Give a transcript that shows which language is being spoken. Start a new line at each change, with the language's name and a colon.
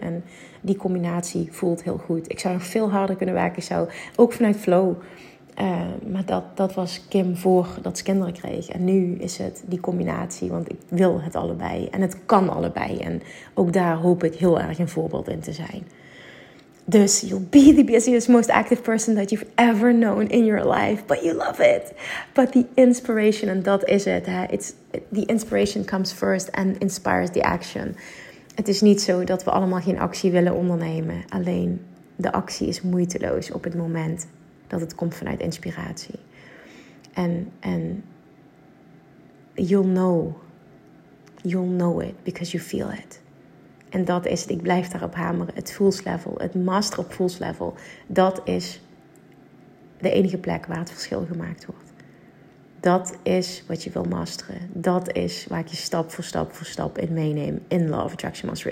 Dutch: En die combinatie voelt heel goed. Ik zou nog veel harder kunnen werken. Ik zou ook vanuit flow. Maar dat was Kim voordat ze kinderen kreeg. En nu is het die combinatie. Want ik wil het allebei. En het kan allebei. En ook daar hoop ik heel erg een voorbeeld in te zijn.
English: Dus you'll be the busiest, most active person that you've ever known in your life. But you love it. But the inspiration, and that is it. Hè? The inspiration comes first and inspires the action.
Dutch: Het is niet zo dat we allemaal geen actie willen ondernemen. Alleen de actie is moeiteloos op het moment dat het komt vanuit inspiratie.
English: En you'll know it because you feel it.
Dutch: En dat is het, ik blijf daarop hameren, het fools level, het master op fools level. Dat is de enige plek waar het verschil gemaakt wordt. Dat is wat je wil masteren. Dat is waar ik je stap voor stap in meeneem in Law of Attraction Mastery.